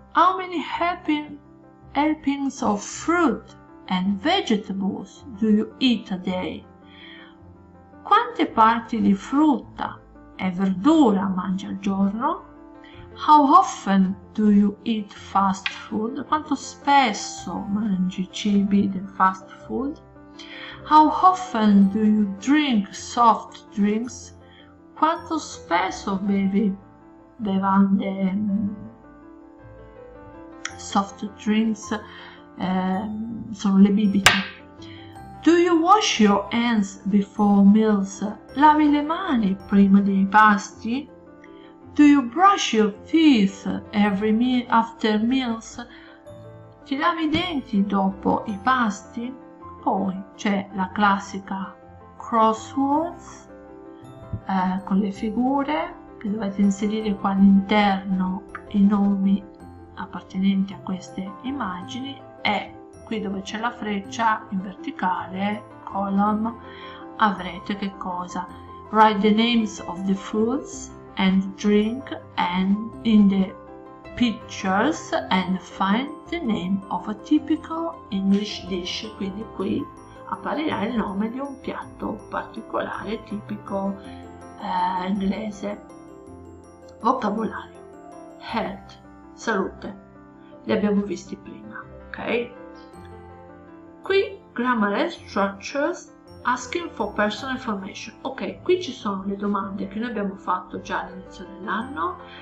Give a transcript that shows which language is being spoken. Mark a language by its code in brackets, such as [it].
[en] How many helpings of fruit and vegetables do you eat a day? [it] Quante parti di frutta e verdura mangi al giorno? [en] How often do you eat fast food? [it] Quanto spesso mangi cibi del fast food? [en] How often do you drink soft drinks? [it] Quanto spesso bevi bevande soft drinks, sono le bibite? [en] Do you wash your hands before meals? [it] Lavi le mani prima dei pasti? [en] Do you brush your teeth every meal after meals? [it] Ti lavi i denti dopo i pasti? Poi c'è la classica crosswords con le figure che dovete inserire qua all'interno, i nomi appartenenti a queste immagini, e qui dove c'è la freccia in verticale, column, avrete che cosa? [en] Write the names of the foods and drink and in the pictures and find the name of a typical English dish. [it] Quindi qui apparirà il nome di un piatto particolare, tipico inglese. Vocabolario, health, salute, li abbiamo visti prima, ok? [en] Qui grammar and structures asking for personal information. [it] Ok, qui ci sono le domande che noi abbiamo fatto già all'inizio dell'anno.